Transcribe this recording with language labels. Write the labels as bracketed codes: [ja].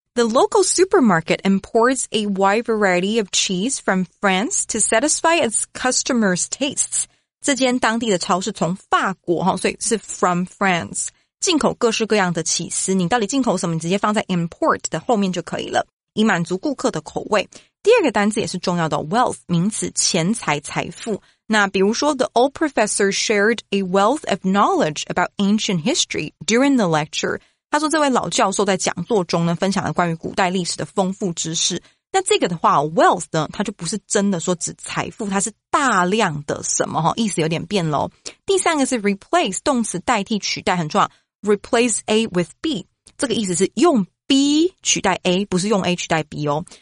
[en] The local supermarket imports a wide variety of cheese from France to satisfy its customers' tastes. [zh] 这间当地的超市从法国，所以是 [en] from France, [zh] 进口各式各样的起司。你到底进口什么，你直接放在 import 的后面就可以了，以满足顾客的口味。第二个单字也是重要的 wealth, 名词钱财财富。那比如说 [en] The old professor shared a wealth of knowledge about ancient history during the lecture. [zh] 他说这位老教授在讲座中呢分享了关于古代历史的丰富知识。那这个的话 wealth 呢它就不是真的说指财富，它是大量的什么，意思有点变咯。第三个是 replace, 动词代替取代，很重要。 [en] Replace A with B, [zh] 这个意思是用 B 取代 A, 不是用 A 取代 B 哦。